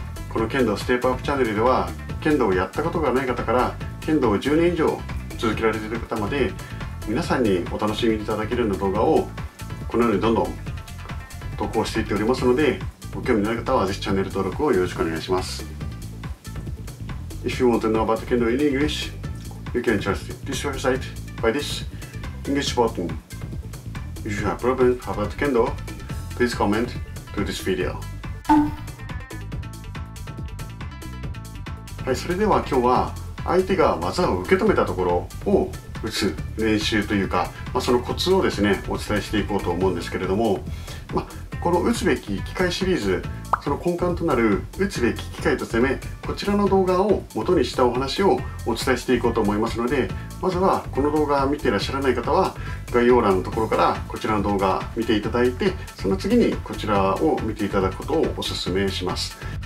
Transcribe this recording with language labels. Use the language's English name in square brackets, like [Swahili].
[Japanese] この剣道ステップアップチャンネルでは剣道をやったことがない方から剣道を10年以上続けられている方まで、皆さんにお楽しみいただけるような動画をこのようにどんどん投稿していっておりますので、ご興味のある方はぜひチャンネル登録をよろしくお願いします。 [English] If you want to know about Kendo in English, you can check this website by this English button. If you have problems about Kendo, please comment to this video. [Japanese] はい、それでは今日は相手が技を受け止めたところを打つ練習というか、そのコツをですね、お伝えしていこうと思うんですけれども、この打つべき機会シリーズ、その根幹となる打つべき機会と攻め、こちらの動画を元にしたお話をお伝えしていこうと思いますので、まずはこの動画を見ていらっしゃらない方は概要欄のところからこちらの動画を見ていただいて、その次にこちらを見ていただくことをお勧めします。